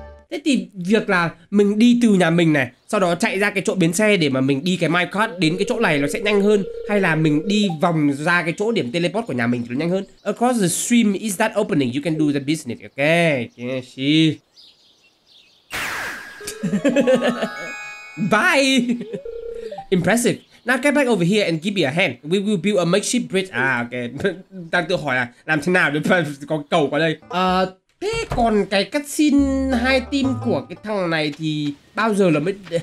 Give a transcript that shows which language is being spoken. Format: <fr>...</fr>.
<vi>Thế thì việc là mình đi từ nhà mình này, sau đó chạy ra cái chỗ bến xe để mà mình đi cái minecart đến cái chỗ này nó sẽ nhanh hơn, hay là mình đi vòng ra cái chỗ điểm teleport của nhà mình thì nó nhanh hơn?</vi> <en>Across the stream is that opening, you can do the business. Okay, see. Bye. Impressive. Now get back over here and give me a hand. We will build a makeshift bridge. Ah, okay.</en> <vi>Đang tự hỏi là làm thế nào để có cầu qua đây. Thế còn cái cutscene hai team của cái thằng này thì bao giờ là mới...</vi>